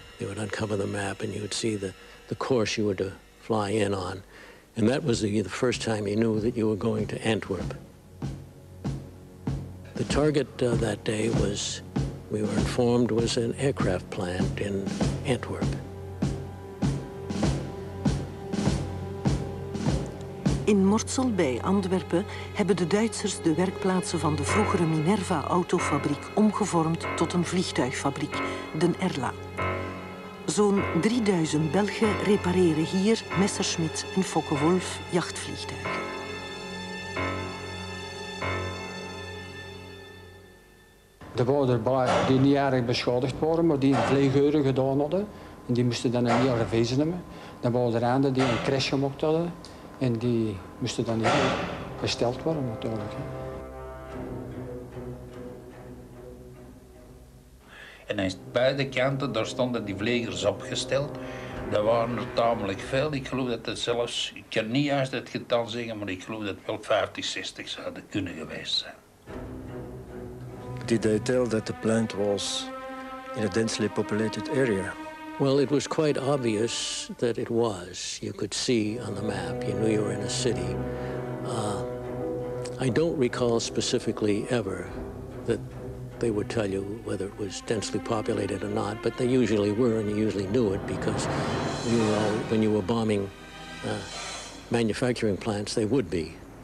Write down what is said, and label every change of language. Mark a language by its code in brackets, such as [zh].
[en] They would uncover the map and you would see the course you were to fly in on. And that was the first time he knew that you were going to Antwerp. The target that day was, we were informed, was an aircraft plant in Antwerp. [nl] In Mortsel bij Antwerpen hebben de Duitsers de werkplaatsen van de vroegere Minerva autofabriek omgevormd tot een vliegtuigfabriek, de Erla. Zo'n 3000 Belgen repareren hier Messerschmitt en Focke Wulf jachtvliegtuigen. Er waren er belangen die niet erg beschadigd waren, maar die een vlieguren gedaan hadden. En die moesten dan een nieuw revisie nemen. Er waren er einde die een crash gemaakt hadden. En die moesten dan niet meer besteld worden, natuurlijk. Hè. En aan beide kanten, daar stonden die vliegers opgesteld. Dat waren er tamelijk veel. Ik geloof dat het zelfs, ik kan niet juist het getal zeggen, maar ik geloof dat het wel 50, 60 zouden kunnen geweest zijn. [en] Did they tell that the plant was in a densely populated area? Well, it was quite obvious that it was. You could see on the map, you knew you were in a city. I don't recall specifically ever that they would tell you whether it was densely populated or not, but they usually were, and you usually knew it because you were all, when you were bombing manufacturing plants, they would be.